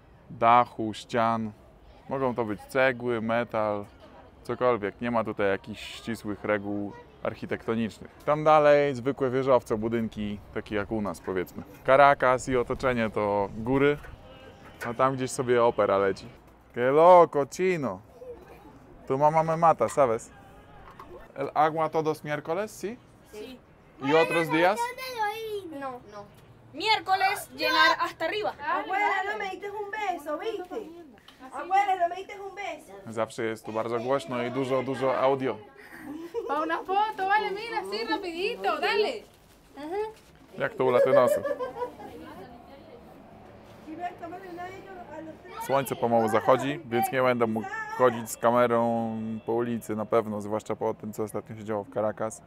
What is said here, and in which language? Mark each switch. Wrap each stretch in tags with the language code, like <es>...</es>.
<pl>Dachu, ścian. Mogą to być cegły, metal, cokolwiek. Nie ma tutaj jakichś ścisłych reguł architektonicznych. Tam dalej zwykłe wieżowce, budynki takie jak u nas, powiedzmy. Caracas i otoczenie to góry, a tam gdzieś sobie opera leci.</pl> <es>Que loco, chino! Tu mama me mata, sabes? El agua todos miércoles, sí? Sí. ¿Y otros días? No, no. Miércoles llenar hasta arriba. Abuela, no me diste un beso, viste? Abuela, no me diste un beso.</es> <pl>Zawsze jest tu bardzo głośno i dużo, dużo audio.</pl> <es>Pa una foto, vale, mira, así rapidito, dale.</es> <pl>Ajá. Jak to u latynosów. Słońce pomału zachodzi, więc nie będę mógł chodzić z kamerą po ulicy na pewno, zwłaszcza po tym, co ostatnio się działo w Caracas.</pl>